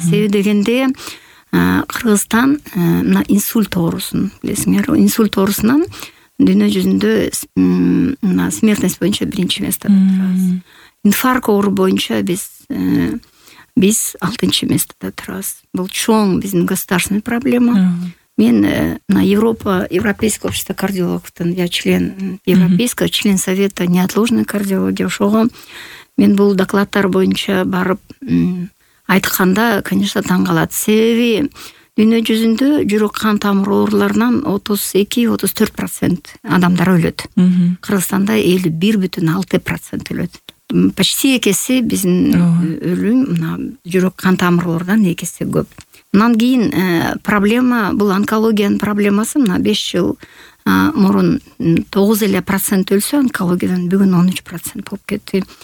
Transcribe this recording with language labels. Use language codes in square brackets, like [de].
[ky] Себеби дегенде Кыргызстан мына инсульт оорусун билесиңер, инсульт оорусунан дүйнө жүзүндө мына [ru] смертность [ky] боюнча 1-место турабыз. Инфаркт оору боюнча биз 6-местада турабыз. Бул чоң биздин [ru] государственный проблема. [ky] Мен мына европейское общество кардиологтун, [ru] я член европейского, член совета неотложной кардиологии, [ky] ошого мен бул докладтар боюнча барып айтканда, [ru] конечно, [ky] таң калат. Себеби дүйнө жүзүндө жүрөк кан тамыр ооруларынан 32-34% адамдар өлөт. Кыргызстанда 51.6% өлөт. Почти экеси биздин өлүм мына жүрөк кан тамыр оорудан экеси көп. Мынан кийин проблема бул онкологиянын проблемасы мына 5 жыл мурун 9% өлсө онкологиядан бүгүн 13% болуп кетти.